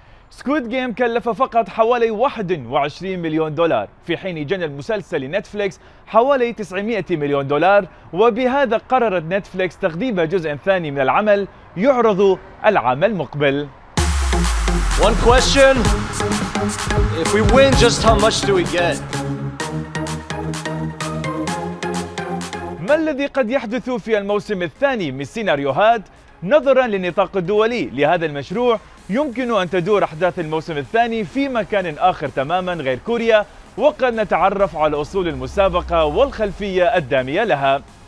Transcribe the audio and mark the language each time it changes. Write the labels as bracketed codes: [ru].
[ar] سكويد جيم كلف فقط حوالي 21 مليون دولار، في حين جنى المسلسل نتفليكس حوالي 900 مليون دولار، وبهذا قررت نتفليكس تقديم جزء ثاني من العمل يعرض العام المقبل. [en] One question. If we win, just how much do we get? [ar] ما الذي قد يحدث في الموسم الثاني من السيناريوهات نظرا للنطاق الدولي لهذا المشروع؟ يمكن أن تدور أحداث الموسم الثاني في مكان آخر تماماً غير كوريا، وقد نتعرف على أصول المسابقة والخلفية الدامية لها.